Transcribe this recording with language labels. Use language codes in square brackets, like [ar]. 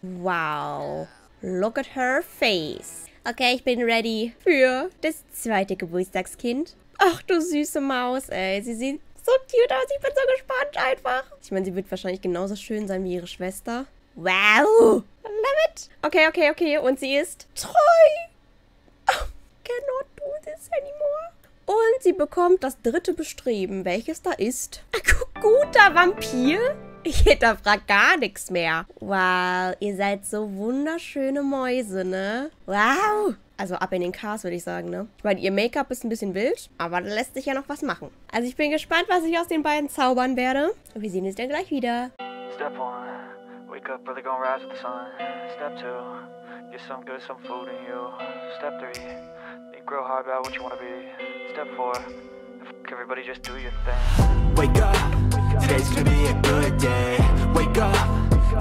[en] Wow. Look at her face. [de] Okay, ich bin ready für das zweite Geburtstagskind. Ach, du süße Maus, ey. Sie sieht so cute aus. Ich bin so gespannt einfach. Ich meine, sie wird wahrscheinlich genauso schön sein wie ihre Schwester. Wow. [en] Love it. [de] Okay, okay, okay. Und sie ist treu. [en] Oh, cannot do this anymore. [de] Und sie bekommt das dritte Bestreben. Welches da ist? Ein guter Vampir? Ich hinterfrag gar nichts mehr. Wow, ihr seid so wunderschöne Mäuse, ne? Wow. Also ab in den Cars, würde ich sagen, ne? Ich meine, ihr Make-up ist ein bisschen wild, aber da lässt sich ja noch was machen. Also ich bin gespannt, was ich aus den beiden zaubern werde. Und wir sehen uns dann gleich wieder. [en] Step 1, wake up, really gonna rise with the sun. Step 2, get some good, some food in you. Step 3, think real hard about what you wanna be. Step 4, fuck everybody, just do your thing. Wake up. Today's gonna be a good day. Wake up.